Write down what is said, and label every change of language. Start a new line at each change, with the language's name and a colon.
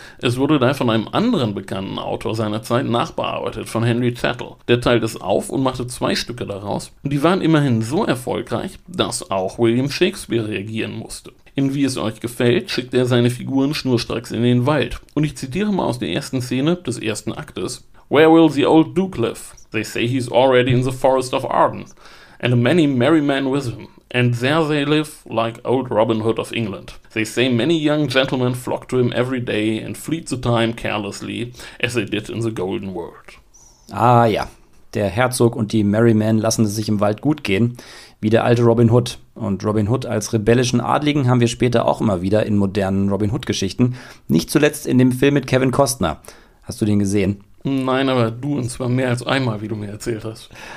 German: Es wurde daher von einem anderen bekannten Autor seiner Zeit nachbearbeitet, von Henry Chattel. Der teilte es auf und machte 2 Stücke daraus. Und die waren immerhin so erfolgreich, dass auch William Shakespeare reagieren musste. In Wie es euch gefällt, schickt er seine Figuren schnurstracks in den Wald. Und ich zitiere mal aus der ersten Szene des ersten Aktes.
English: Where will the old Duke live? They say he's already in the Forest of Arden. And many merry men with him. And there they live, like old Robin Hood of England. They say many young gentlemen flock to him every day and fleet the time carelessly, as they did in the golden world.
German: Ah ja, der Herzog und die Merry Men lassen es sich im Wald gut gehen, wie der alte Robin Hood. Und Robin Hood als rebellischen Adligen haben wir später auch immer wieder in modernen Robin Hood-Geschichten. Nicht zuletzt in dem Film mit Kevin Costner. Hast du den gesehen? Nein, aber du und zwar mehr als einmal, wie du mir erzählt hast.